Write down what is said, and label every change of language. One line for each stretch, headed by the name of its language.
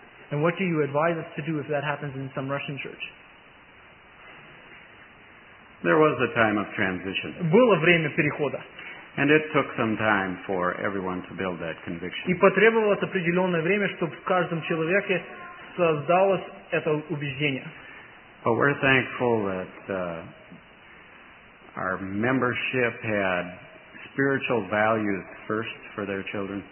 English: And what do you advise us to do if that happens in some Russian church? There was a time of transition.
Russian: Было время перехода.
English: And it took some time for everyone to build that conviction.
Russian: И потребовалось определенное время, чтобы в каждом человеке создалось это убеждение.
English: But we're thankful that our membership had spiritual values first for their children.